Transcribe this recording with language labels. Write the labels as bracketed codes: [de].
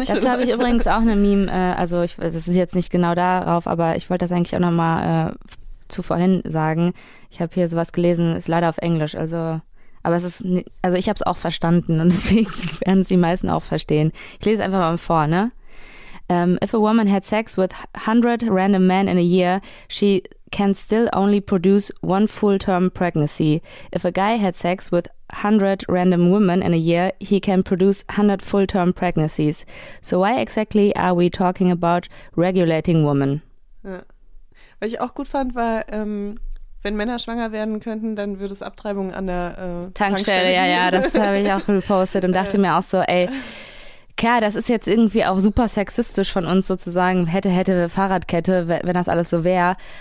[de] Leute. Dazu habe ich übrigens auch eine Meme, das ist jetzt nicht genau darauf, aber ich wollte das eigentlich auch nochmal zu vorhin sagen. Ich habe hier sowas gelesen, ist leider auf Englisch, also Aber es ist, also ich habe es auch verstanden und deswegen werden es die meisten auch verstehen. Ich lese einfach mal vor, ne? [en] If a woman had sex with 100 random men in a year, she can still only produce one full-term pregnancy. If a guy had sex with 100 random women in a year, he can produce 100 full-term pregnancies. So why exactly are we talking about regulating women? [de] Ja. Was ich auch gut fand, war, wenn Männer schwanger werden könnten, dann würde es Abtreibung an der Tankstelle geben. Ja, das habe ich auch gepostet und dachte mir auch so, ey, klar, das ist jetzt irgendwie auch super sexistisch von uns sozusagen, hätte Fahrradkette, wenn das alles so wäre.